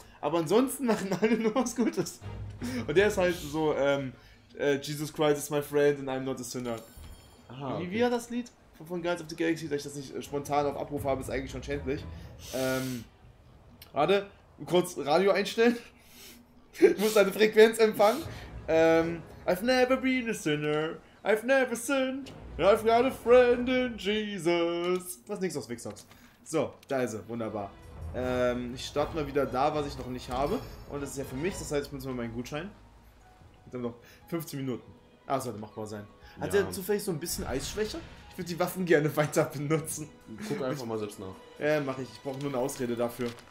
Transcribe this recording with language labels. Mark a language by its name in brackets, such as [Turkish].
[German] Aber ansonsten machen alle nur was Gutes. Und der ist halt so, [English] Jesus Christ is my friend and I'm not a sinner. [German] Aha, okay. Wie war das Lied von Guardians of the Galaxy, da ich das nicht spontan auf Abruf habe, ist eigentlich schon schändlich. Warte, kurz Radio einstellen. Ich muss eine Frequenz empfangen. [English] I've never been a sinner. I've never sinned. I've got a friend in Jesus. [German] Was nix aus Wixox. So, da ist er. Wunderbar. Ich starte mal wieder da, was ich noch nicht habe. Und das ist ja für mich. Das heißt, ich benutze mal meinen Gutschein. Ich habe noch 15 Minuten. Ah, sollte machbar sein. Hat ja. Er zufällig so ein bisschen Eisschwäche? Ich würde die Waffen gerne weiter benutzen. Guck einfach mal selbst nach. Ja, mache ich. Ich brauche nur eine Ausrede dafür.